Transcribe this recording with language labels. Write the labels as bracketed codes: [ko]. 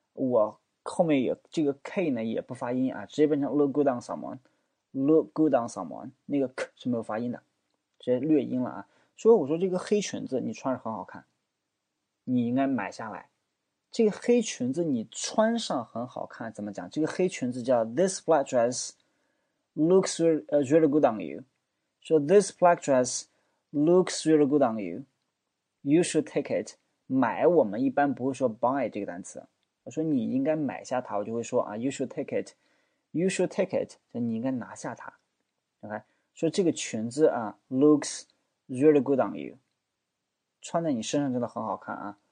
[zh] 我后面有这个 K 呢，也不发音啊，直接变成 [en] look good on someone，look good on someone， [zh] 那个 k 是没有发音的，直接略音了啊。所以我说这个黑裙子你穿着很好看，你应该买下来。这个黑裙子你穿上很好看，怎么讲？这个黑裙子叫 [en] this black dress looks really good on you， [zh] 说 [en] this black dress looks really good on you，you should take it。 [zh] 买我们一般不会说 buy 这个单词。我说你应该买下它，我就会说啊， [en] you should take it，you should take it， [zh] 就你应该拿下它。 OK，说这个裙子啊， [en] looks really good on you， [zh] 穿在你身上真的很好看啊。